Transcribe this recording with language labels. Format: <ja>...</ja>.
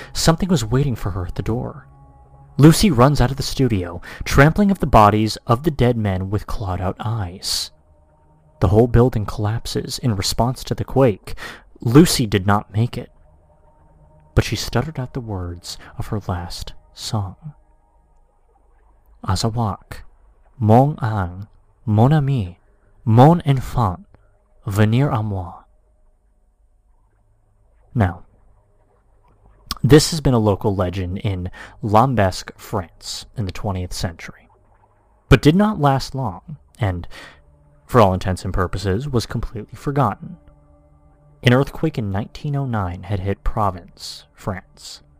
<en>Something was waiting for her at the door. Lucy runs out of the studio, trampling of the bodies of the dead men with clawed out eyes. The whole building collapses in response to the quake. Lucy did not make it. But she stuttered out the words of her last song.</en> <fr>Azawak, mon ang, mon ami, mon enfant, venir à moi.</fr> <en>Now, this has been a local legend in Lambesque, France, in the 20th century, but did not last long, and, for all intents and purposes, was completely forgotten. An earthquake in 1909 had hit Provence, France.</en>